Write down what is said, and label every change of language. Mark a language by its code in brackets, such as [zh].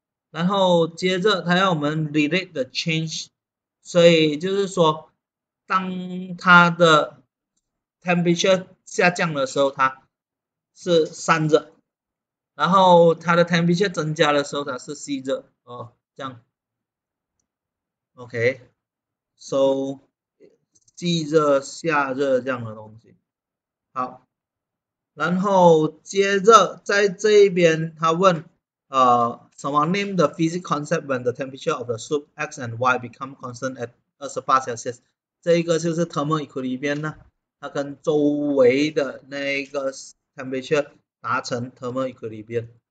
[zh] 然后接着它要我们 [en] relate the change， [zh] 所以就是说当它的 temperature 下降的时候它是散热，然后它的 temperature 增加的时候它是吸热，这样。 OK，so、okay, 既热下热这样的东西。好，然后接着在这一边他问，什么 [en] name the physics concept when the temperature of the soup x and y become constant at a surface Celsius？ [zh] 这一个就是 thermal equilibrium 呢，它跟周围的那个 temperature 达成 thermal equilibrium。